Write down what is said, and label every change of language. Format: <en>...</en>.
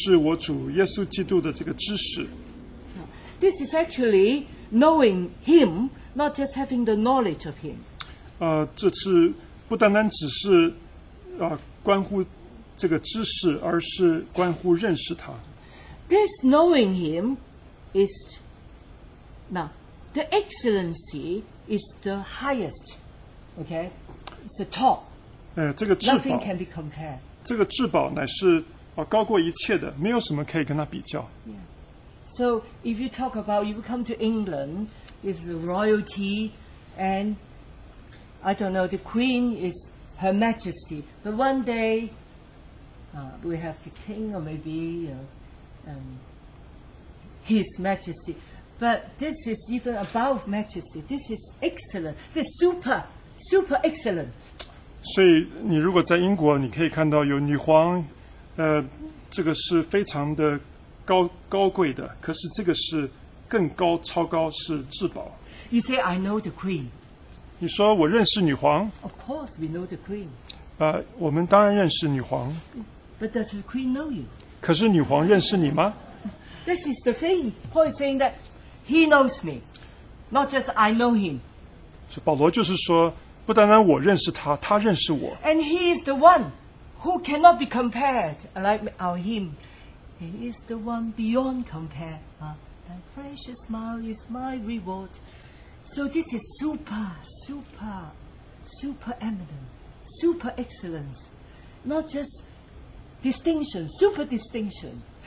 <zh>这里面其实是认识我主耶稣基督的这个知识。</zh> <en>This is actually knowing Him, not just having the knowledge of Him.</en> <zh>这次不单单只是 关乎这个知识 而是关乎认识他</zh> <en>This knowing him is now the excellency is the highest okay it's the top</en> <zh>这个至宝,</zh> <en>nothing can be compared</en> <zh>这个至宝乃是 高过一切的 没有什么可以跟他比较 yeah.</zh> <en>So if you talk about you come to England it's the royalty and I don't know, the Queen is Her Majesty. But one day, we have the King, or maybe His Majesty. But this is even above Majesty. This is excellent. This is super, super excellent.</en> <zh>所以你如果在英国,你可以看到有女皇, 这个是非常的高贵的, 可是这个是更高,超高,是至宝。</zh> <en>You say, I know the Queen.</en> <zh>你说我认识女皇</zh> <en>Of course we know the queen</en> <zh>我们当然认识女皇</zh> <en>But does the queen know you?</en> <zh>可是女皇认识你吗?</zh> <en>This is the thing Paul is saying that he knows me Not just I know him</en> <zh>保罗就是说 不单单我认识他 他认识我</zh> <en>And he is the one Who cannot be compared Like our him He is the one beyond compare Thy precious smile is my reward So this is super, super, super eminent, super excellent, not just distinction, super distinction.</en>